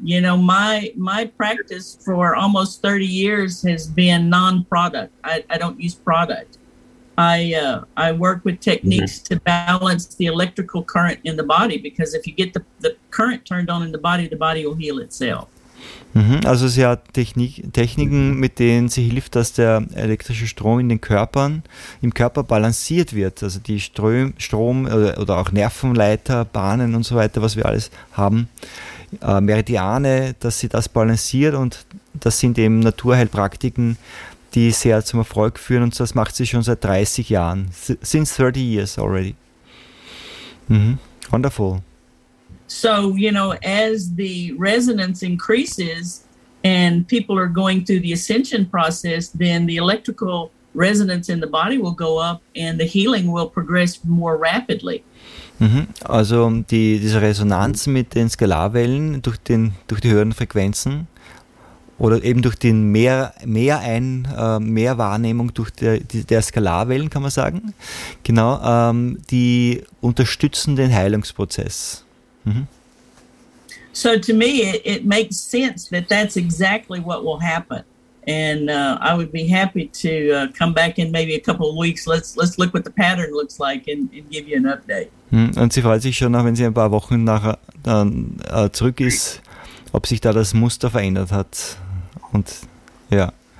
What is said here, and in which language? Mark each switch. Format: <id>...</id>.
<en>You know, my practice for almost 30 years has been non-product. I don't use product. I work with techniques mm-hmm. to balance the electrical current in the body, because if you get the current turned on in the body will heal itself.</en> <de>Also sie hat Techniken, mit denen sie hilft, dass der elektrische Strom in den Körpern, im Körper balanciert wird. Also die Strom oder auch Nervenleiter, Bahnen und so weiter, was wir alles haben, Meridiane, dass sie das balanciert. Und das sind eben Naturheilpraktiken, die sehr zum Erfolg führen. Und das macht sie schon seit 30 Jahren.</de> <en>Since 30 years already. Wonderful. So, you know, as the resonance increases and people are going through the ascension process, then the electrical resonance in the body will go up and the healing will progress more rapidly. Also diese Resonanz mit den Skalarwellen durch die höheren Frequenzen oder eben durch den mehr Wahrnehmung durch der Skalarwellen, kann man sagen, genau, die unterstützen den Heilungsprozess. So to me, it makes sense that that's exactly what will happen. And I would be happy to come back in maybe a couple of weeks. Let's look what the pattern looks like and give you an update.</en> <de>Und sie freut sich schon auch, wenn sie ein paar Wochen nachher dann zurück ist, ob sich da das Muster verändert hat. Und ja.</de>